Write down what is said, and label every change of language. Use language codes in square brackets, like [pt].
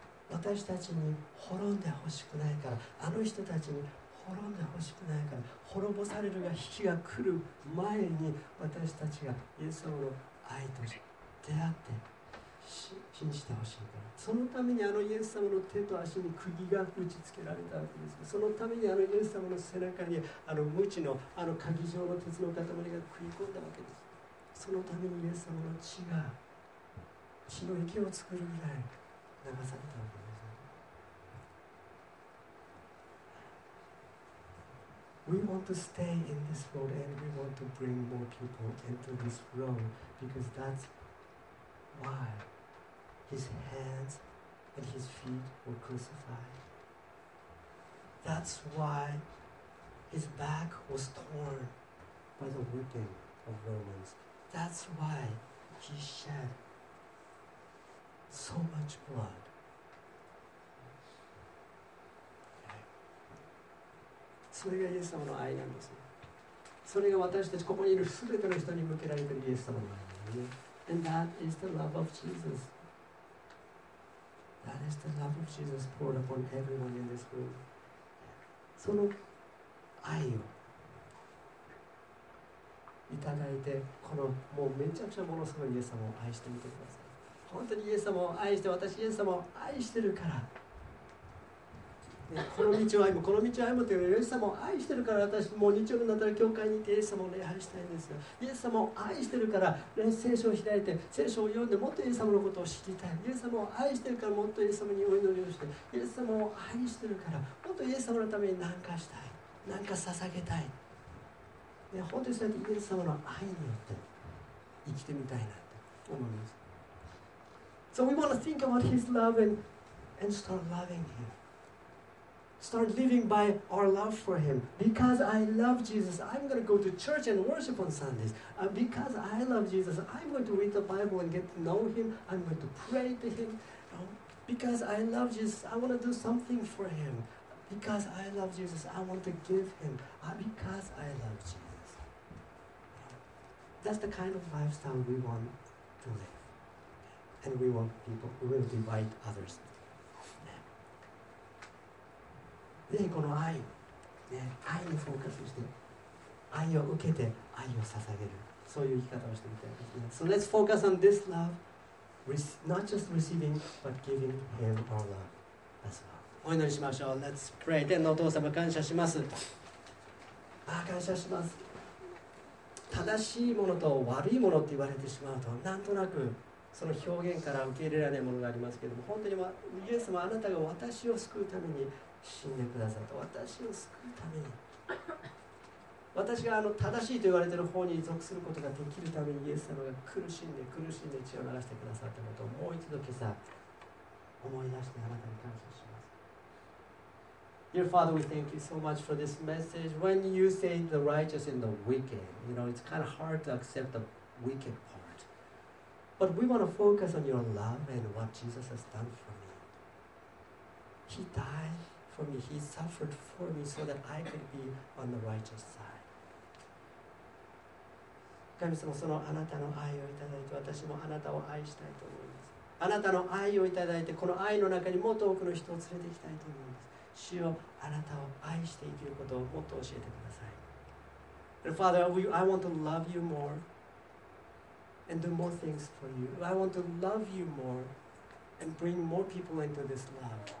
[ja] 私たちに滅んでほしくないから、あの人たちに滅んでほしくないから、滅ぼされるが日が来る前に私たちがイエス様の愛と出会って信じてほしいから、そのためにあのイエス様の手と足に釘が打ち付けられたわけです。そのためにあのイエス様の背中にあの鞭のあの鍵状の鉄の塊が食い込んだわけです。そのためにイエス様の血が血の池を作るぐらい流されたわけです。 [en] We want to stay in this world and we want to bring more people into this world because that's why his hands and his feet were crucified. That's why his back was torn by the whipping of Romans. That's why He shed so much blood. [ja] それがイエス様の愛なんですね。それが私たちここにいるすべての人に向けられているイエス様の愛なんですね。 [en] And that is the love of Jesus. That is the love of Jesus poured upon everyone in this room. [ja] その愛をいただいて、このもうめちゃくちゃものすごいイエス様を愛してみてください。本当にイエス様を愛して、私イエス様を愛してるから、この道を歩む、この道を歩むというより、イエス様を愛してるから、私もう日曜日になったら教会に行ってイエス様を礼拝したいんですよ。イエス様を愛してるから聖書を開いて聖書を読んで、もっとイエス様のことを知りたい。イエス様を愛してるから、もっとイエス様にお祈りをして、イエス様を愛してるから、もっとイエス様のために何かしたい、何か捧げたい。本当にそうやってイエス様の愛によって生きてみたいなと思います。 [en] So we want to think about His love and start loving Him. Start living by our love for Him. Because I love Jesus, I'm going to go to church and worship on Sundays. Because I love Jesus, I'm going to read the Bible and get to know Him. I'm going to pray to Him. Because I love Jesus, I want to do something for Him. Because I love Jesus, I want to give Him. Because I love Jesus. That's the kind of lifestyle we want to live. And we want people, we will invite others. [ja] ぜひこの愛、ね、愛にフォーカスして、愛を受けて愛を捧げる。そういう生き方をしてみたいですね。 [en] So let's focus on this love, not just receiving, but giving Him our love as well. [ja] お祈りしましょう。 [en] Let's pray. [ja] 天のお父様、感謝します。あ、感謝します。正しいものと悪いものって言われてしまうと、なんとなくその表現から受け入れられないものがありますけれども、本当にイエス様、あなたが私を救うために死んでくださった、私を救うために、私があの正しいと言われている方に属することができるために、イエス様が苦しんで苦しんで血を流してくださったことを、もう一度今朝思い出してあなたに感謝します。 [en] Dear Father, we thank you so much for this message. When you say the righteous and the wicked,You know, it's kind of hard to accept the wicked part. But we want to focus on your love and what Jesus has done for me. He died for me. He suffered for me so that I could be on the righteous side. [ja] 神様、そのあなたの愛をいただいて、私もあなたを愛したいと思います。あなたの愛をいただいて、この愛の中にもっと多くの人を連れていきたいと思います。主よ、あなたを愛して生きることをもっと教えてください。 [en] And Father, I want to love you more and do more things for you. I want to love you more and bring more people into this love.